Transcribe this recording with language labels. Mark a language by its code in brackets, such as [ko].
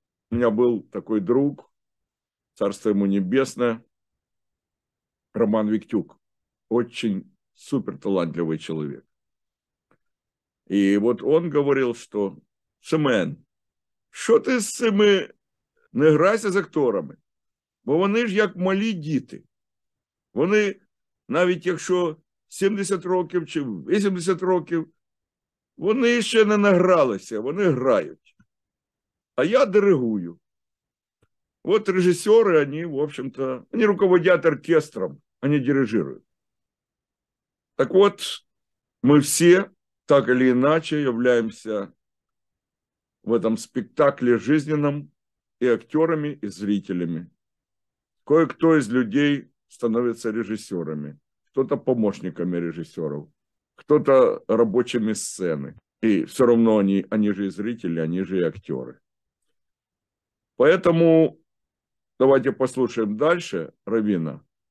[ru] У меня был такой друг, царство ему небесное, Роман Виктюк. Очень суперталантливый человек. И вот он говорил, что «Семен, что ты с цими... [uk] Не грайся з акторами?» Бо вони ж як малі діти. Вони, навіть якщо 70 років чи 80 років, вони ще не награлися, вони грають. А я диригую. От режисери, вони, в общем-то, вони руководять оркестром, вони дирижують. Так от, ми всі, так или іначе, являємося в этом спектаклі жизненном і актерами, і зрителями. [ru] Кое-кто из людей становится режиссерами, кто-то помощниками режиссеров, кто-то рабочими сцены. И все равно они же и зрители, они же и актеры. Поэтому давайте послушаем дальше Равина.